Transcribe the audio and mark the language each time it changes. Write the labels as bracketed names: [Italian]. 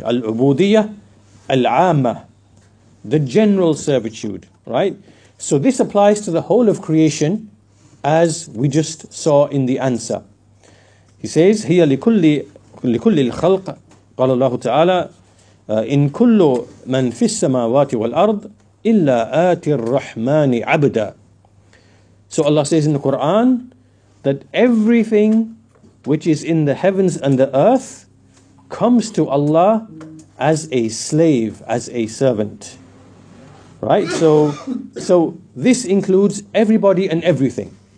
[Arabic] Al-ubudiyya, al-amma, [English] the general servitude, right? So this applies to the whole of creation, as we just saw in the answer. He says, [Arabic] هي لكل الخلق, قال الله تعالى, إن كل من في السماوات والأرض إلا آت الرحمن عبدا. [English] So Allah says in the Quran that everything which is in the heavens and the earth comes to Allah as a slave, as a servant. Right? So this includes everybody and everything.